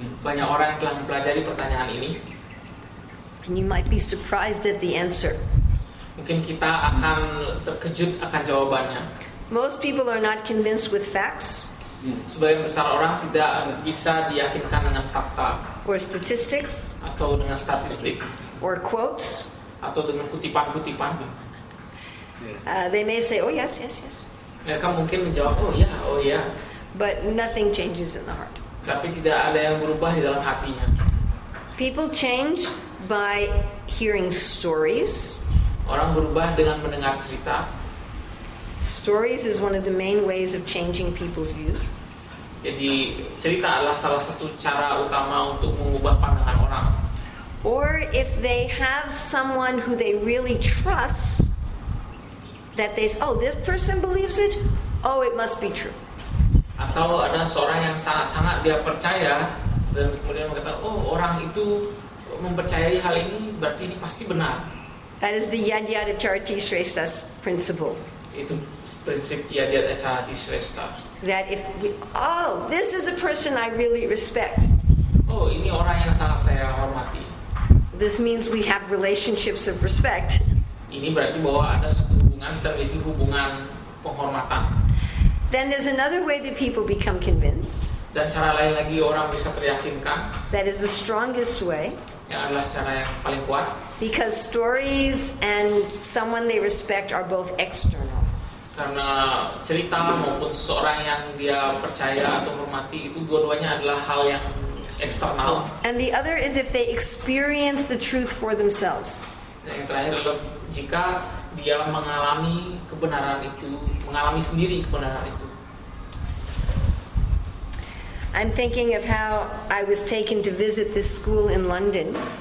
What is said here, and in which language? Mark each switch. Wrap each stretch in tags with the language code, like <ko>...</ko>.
<id>Banyak orang telah mempelajari pertanyaan ini.</id> <en>And you might be surprised at the answer.</en> <id>Mungkin kita akan terkejut akan jawabannya.</id> <en>Most people are not convinced with facts.</en> <id>Sebagian besar orang tidak bisa diyakinkan dengan fakta.</id> <en>Or statistics.</en> <id>Atau dengan statistik.</id> <en>Or quotes.</en> <id>Atau dengan kutipan-kutipan.</id> <en>They may say, oh yes.</en> <id>Mereka mungkin menjawab, oh ya.</id> <en>But nothing changes in the heart.</en> <id>Tapi tidak ada yang berubah di dalam hatinya.</id> <en>People change by hearing stories.</en> <id>Orang berubah dengan mendengar cerita.</id> <en>Stories is one of the main ways of changing people's views.</en> <id>Jadi cerita adalah salah satu cara utama untuk mengubah pandangan orang.</id> <en>Or if they have someone who they really trust, that they say, oh, this person believes it, oh, it must be true.</en> <id>Atau ada seorang yang sangat-sangat dia percaya dan kemudian mengatakan, oh, orang itu mempercayai hal ini, berarti ini pasti benar.</id> <en>That is the Yad Yad Acharati Shrestas principle.</en> <id>Itu prinsip Yad Yad Acharati Shrestha.</id> <en>That if we, oh, this is a person I really respect.</en> <id>Oh, ini orang yang sangat saya hormati.</id> <en>This means we have relationships of respect.</en> <id>Ini berarti bahwa ada suatu hubungan, kita memiliki hubungan penghormatan.</id> <en>Then there's another way that people become convinced.</en> <id>Dan cara lain lagi orang bisa teryakinkan.</id> <en>That is the strongest way.</en> <id>Yang adalah cara yang paling kuat.</id> <en>Because stories and someone they respect are both external.</en> <id>Karena cerita maupun seorang yang dia percaya atau hormati itu dua-duanya adalah hal yang eksternal.</id> <en>And the other is if they experience the truth for themselves.</en> <id>Dan yang terakhir adalah jika dia mengalami kebenaran itu, mengalami sendiri kebenaran itu.</id> <en>I'm thinking of how I was taken to visit this school in London.</en>